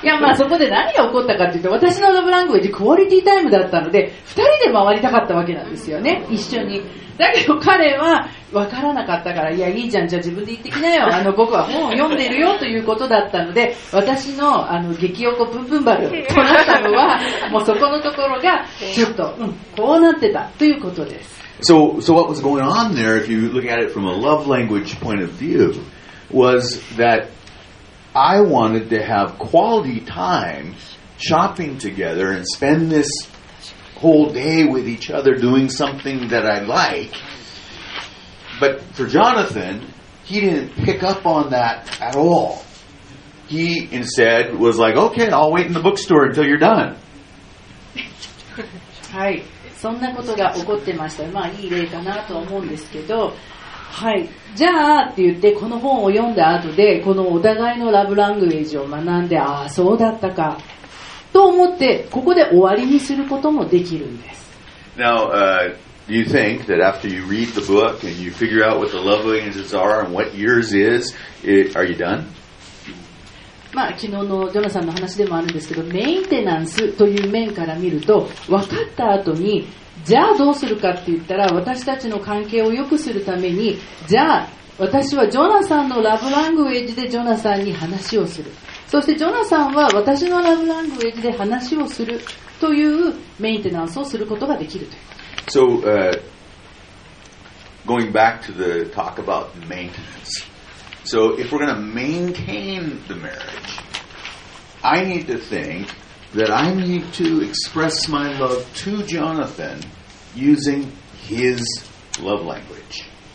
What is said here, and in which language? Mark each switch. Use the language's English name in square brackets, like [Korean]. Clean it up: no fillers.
[Japanese] いや、まあそこで何が起こったかっていうと、私のラブラングエージクオリティタイムだったので2人で回りたかったわけなんですよね、一緒に。だけど彼は分からなかったから、いやいいじゃん、じゃあ自分で行ってきなよ、あの僕は本を読んでるよということだったので、私のあの激おこブンブンバルとなったのはもうそこのところがちょっと、うん、こうなってたということです。 [English] So what was going on there, if you look at it from a love language point of view, was that I wanted to have quality time shopping together and spend this whole day with each other doing something that I like. But for Jonathan, he didn't pick up on that at all. He instead was like, okay, I'll wait in the bookstore until you're done. Hi. [Japanese] そんなことが起こってました。まあいい例かなと思うんですけど、はい、じゃあって言ってこの本を読んだ後でこのお互いのラブラングエージを学んで、ああそうだったかと思ってここで終わりにすることもできるんです。 [English] Now, do you think that after you read the book and you figure out what the love languages are and what yours is, are you done? [Japanese] まあ、昨日のジョナさんの話でもあるんですけど、メンテナンスという面から見ると分かった後にじゃあどうするかって言ったら、私たちの関係を良くするためにじゃあ私はジョナさんのラブラングエージでジョナさんに話をする、そしてジョナさんは私のラブラングエージで話をするというメンテナンスをすることができるという。 [English] So going back to the talk about maintenanceSo if we're going to maintain the marriage, I need to think that I need to express my love to Jonathan using his love language.